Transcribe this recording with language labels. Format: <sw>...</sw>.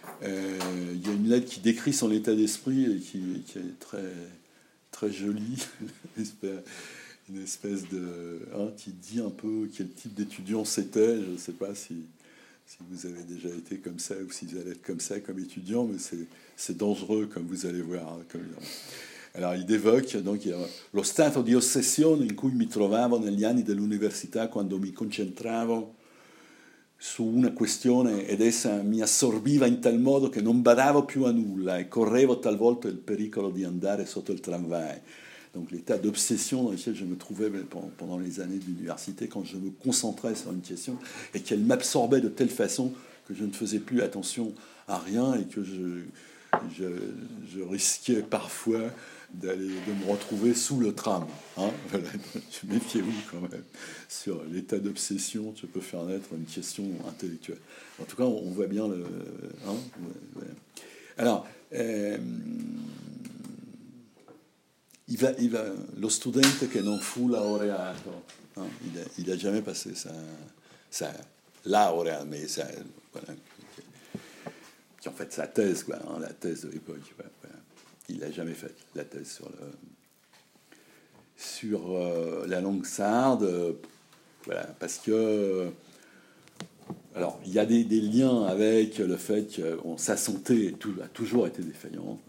<fr>Il y a une lettre qui décrit son état d'esprit et qui est très, très jolie. Une espèce de... Hein, qui dit un peu quel type d'étudiant c'était. Je ne sais pas si vous avez déjà été comme ça ou si vous allez être comme ça comme étudiant, mais c'est dangereux, comme vous allez voir. Alors, il évoque donc</fr> <it>lo stato di ossessione in cui mi trovavo negli anni dell'università quando mi concentravo su una questione ed essa mi assorbiva in tal modo che non badavo più a nulla e correvo talvolta il pericolo di andare sotto il tramvai.</it> <fr>Donc l'état d'obsession dans lequel je me trouvais pendant les années d'université quand je me concentrais sur une question et qu'elle m'absorbait de telle façon que je ne faisais plus attention à rien et que je risquais parfois de me retrouver sous le tram. Hein, voilà, méfiez-vous quand même. Sur l'état d'obsession, tu peux faire naître une question intellectuelle. En tout cas, on voit bien le... Hein, ouais. Alors, il va,</fr> <it>lo studente che non fu laureato.</it> <fr>Hein, il a jamais passé sa laurea, mais sa... Voilà, qui en fait sa thèse, quoi, hein, la thèse de l'époque. Ouais. Il n'a jamais fait la thèse sur la langue sarde. Voilà, parce que... Alors, il y a des liens avec le fait que sa santé a toujours été défaillante.</fr>